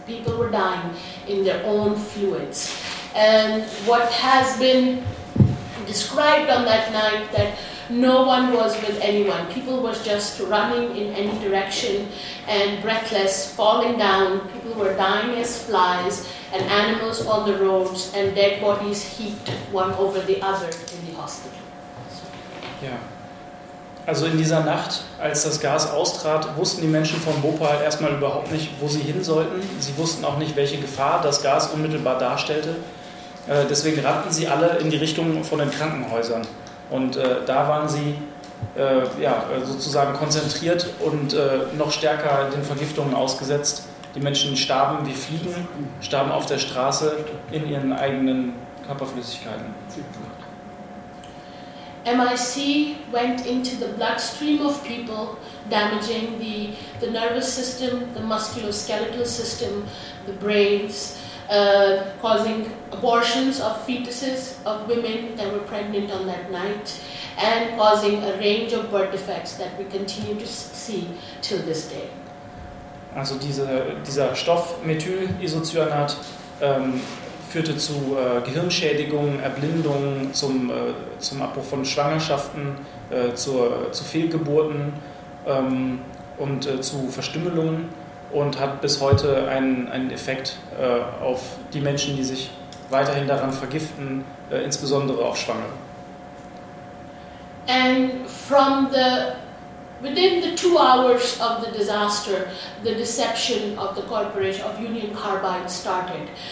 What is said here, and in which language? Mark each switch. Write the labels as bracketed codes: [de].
[en] People were dying in their own fluids. And what has been described on that night, that no one was with anyone. People were just running in any direction and breathless, falling down. People were dying as flies and animals on the roads and dead bodies heaped one over the other in the hospital. [de] Ja, also in dieser Nacht, als das Gas austrat, wussten die Menschen von Bhopal erstmal überhaupt nicht, wo sie hin sollten. Sie wussten auch nicht, welche Gefahr das Gas unmittelbar darstellte. Deswegen rannten sie alle in die Richtung von den Krankenhäusern. Und da waren sie sozusagen konzentriert und noch stärker den Vergiftungen ausgesetzt. Die Menschen starben wie Fliegen, starben auf der Straße in ihren eigenen Körperflüssigkeiten. [en] MIC went into the bloodstream of people, damaging the nervous system, the musculoskeletal system, the brains, causing abortions of fetuses of women that were pregnant on that night, and causing a range of birth defects that we continue to see till this day. [de] Also dieser Stoff Methylisocyanat führte zu Gehirnschädigungen, Erblindungen, zum Abbruch von Schwangerschaften, zu Fehlgeburten und zu Verstümmelungen und hat bis heute einen Effekt auf die Menschen, die sich weiterhin daran vergiften, insbesondere auf Schwangere. [en] And from the within the 2 hours of the disaster, the deception of the corporation of Union Carbide started.